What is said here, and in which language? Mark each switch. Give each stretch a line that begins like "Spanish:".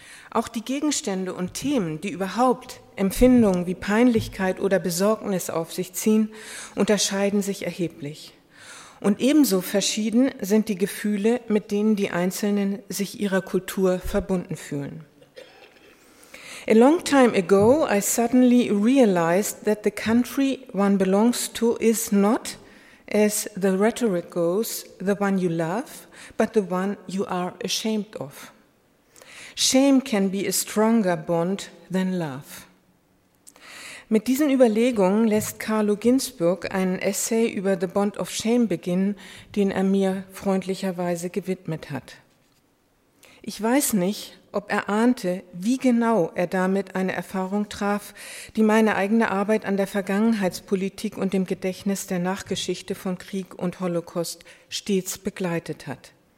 German: Auch die Gegenstände und Themen, die überhaupt Empfindungen wie Peinlichkeit oder Besorgnis auf sich ziehen, unterscheiden sich erheblich. Und ebenso verschieden sind die Gefühle, mit denen die Einzelnen sich ihrer Kultur verbunden fühlen.
English: A long time ago, I suddenly realized that the country one belongs to is not, as the rhetoric goes, the one you love, but the one you are ashamed of. Shame can be a stronger bond than love.
German: Mit diesen Überlegungen lässt Carlo Ginzburg einen Essay über The Bond of Shame beginnen, den er mir freundlicherweise gewidmet hat. Ich weiß nicht, ob er ahnte, wie genau er damit eine Erfahrung traf, die meine eigene Arbeit an der Vergangenheitspolitik und dem Gedächtnis der Nachgeschichte von Krieg und Holocaust stets begleitet hat.